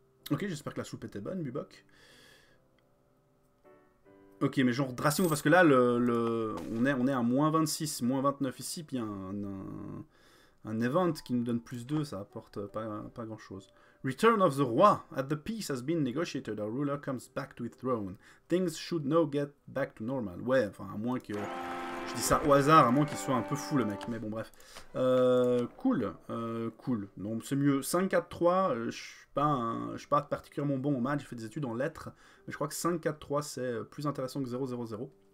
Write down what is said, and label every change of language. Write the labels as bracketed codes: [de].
[fr] Ok, j'espère que la soupe était bonne, Bubok. Ok, mais genre drastique, parce que là, on est à moins 26, moins 29 ici, puis il y a un event qui nous donne plus 2, ça apporte pas grand chose. [en] Return of the roi. At the peace has been negotiated, our ruler comes back to his throne. Things should now get back to normal. [fr] Ouais, enfin, à moins que. Je dis ça au hasard, à moins qu'il soit un peu fou le mec, mais bon, bref. Cool. Donc, c'est mieux. 5-4-3, je suis pas particulièrement bon au match, je fais des études en lettres, mais je crois que 5-4-3, c'est plus intéressant que 0-0-0.